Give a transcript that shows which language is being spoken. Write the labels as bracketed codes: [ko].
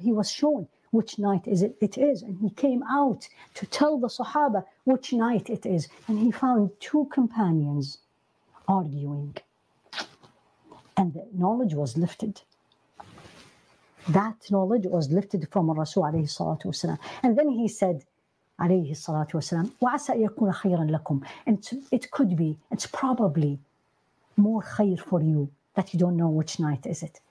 [en] He was shown which night is it is. And he came out to tell the Sahaba which night it is. And he found two companions arguing. And the knowledge was lifted. That knowledge was lifted from Rasul alayhi salatu wasalam. And then he said, [ar] عليه الصلاة والسلام وعسى يكون خيرا لكم. [en] And it could be, it's probably more خير for you that you don't know which night is it.